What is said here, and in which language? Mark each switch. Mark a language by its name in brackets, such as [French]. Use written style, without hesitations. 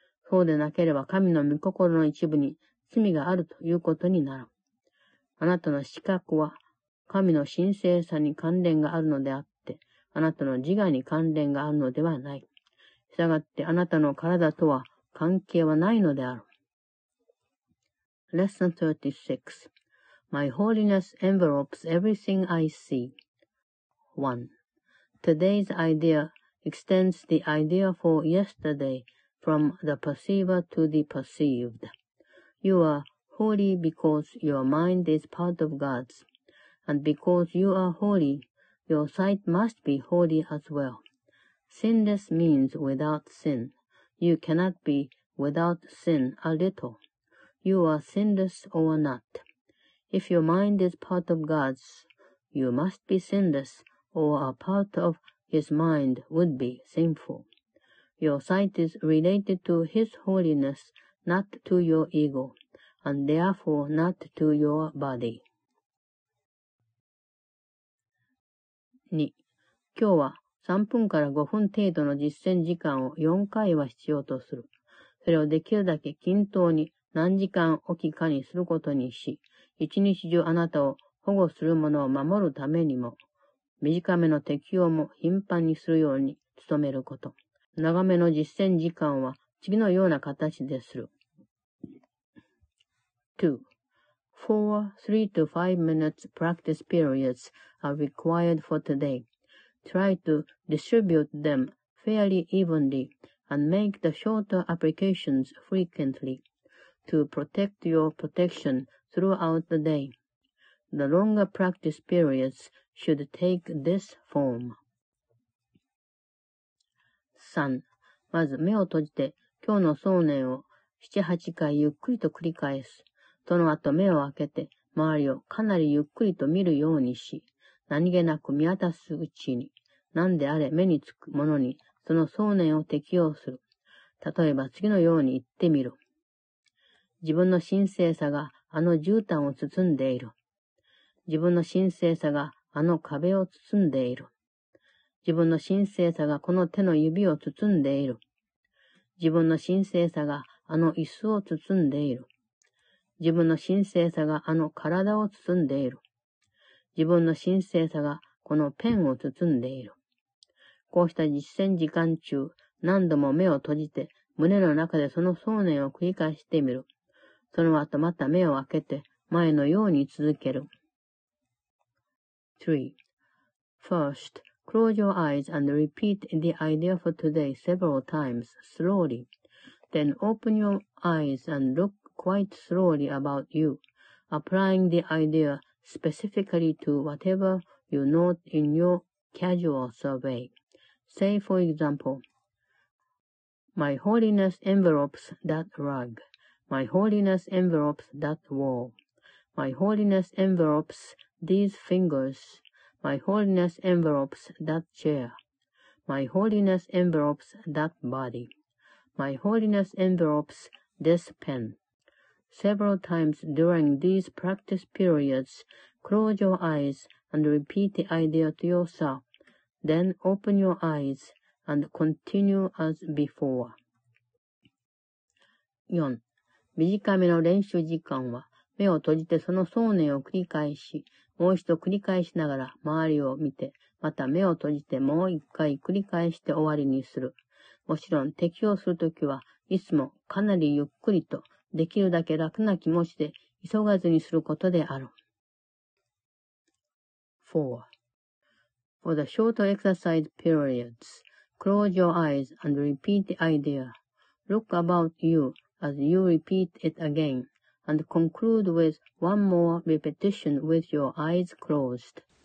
[Japanese] そうでなければ神の御心の一部に罪があるということになる。あなたの視覚は神の神聖さに関連があるのであって、あなたの自我に関連があるのではない。したがってあなたの体とは関係はないのである。 [English] Lesson 36. My holiness envelops everything I see. 1. Today's idea extends the idea for yesterday from the perceiver to the perceived. You are holy because your mind is part of God's. And because you are holy, your sight must be holy as well. Sinless means without sin. You cannot be without sin a little. You are sinless or not. If your mind is part of God's, you must be sinless, or a part of His mind would be sinful. Your sight is related to His holiness, not to your ego, and therefore not to your body. 2. [Japanese] 今日は3分から5分程度の実践時間を4回は必要とする。それをできるだけ均等に何時間おきかにすることにし、一日中あなたを保護する者を守るためにも、短めの適用も頻繁にするように努めること。長めの実践時間は次のような形でする。 2. [English] 4, 3 to 5 minutes practice periods are required for today. Try to distribute them fairly evenly and make the shorter applications frequently. To protect your protection throughout the day. The longer practice periods should take this form. 3. [Japanese] まず目を閉じて今日の想念を7、8回ゆっくりと繰り返す。その後目を開けて周りをかなりゆっくりと見るようにし、何気なく見渡すうちに、何であれ目につくものにその想念を適用する。例えば次のように言ってみる。自分の神聖さがあの絨毯を包んでいる。自分の神聖さがあの壁を包んでいる。自分の神聖さがこの手の指を包んでいる。自分の神聖さがあの椅子を包んでいる。自分の神聖さがあの体を包んでいる。自分の神聖さがこのペンを包んでいる。こうした実践時間中、何度も目を閉じて胸の中でその想念を繰り返してみる。その後また目を開けて前のように続ける。 3. [English] First, close your eyes and repeat the idea for today several times slowly. Then open your eyes and look quite slowly about you, applying the idea specifically to whatever you note in your casual survey. Say, for example, My holiness envelops that rug. My holiness envelops that wall. My holiness envelops these fingers. My holiness envelops that chair. My holiness envelops that body. My holiness envelops this pen. Several times during these practice periods, close your eyes and repeat the idea to yourself. Then open your eyes and continue as before. 4. [Japanese] 短めの練習時間は、目を閉じてその想念を繰り返し、もう一度繰り返しながら周りを見て、また目を閉じてもう一回繰り返して終わりにする。もちろん適用するときはいつもかなりゆっくりと、できるだけ楽な気持ちで急がずにすることである。 4. [English] For the short exercise periods, close your eyes and repeat the idea. Look about youAs you repeat it again, and conclude with one more repetition with your eyes closed.